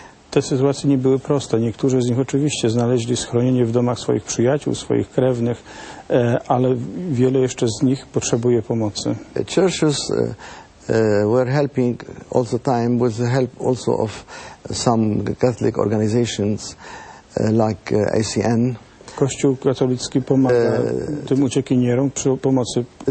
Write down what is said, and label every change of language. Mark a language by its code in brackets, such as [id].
[pl] Te sytuacje nie były proste. Niektórzy z nich oczywiście znaleźli schronienie w domach swoich przyjaciół, swoich krewnych, ale wiele jeszcze z nich potrzebuje pomocy. [en] Churches were helping all the time with the help also of some Catholic organizations like ICN. [pl] Kościół katolicki pomaga tym uciekinierom przy pomocy.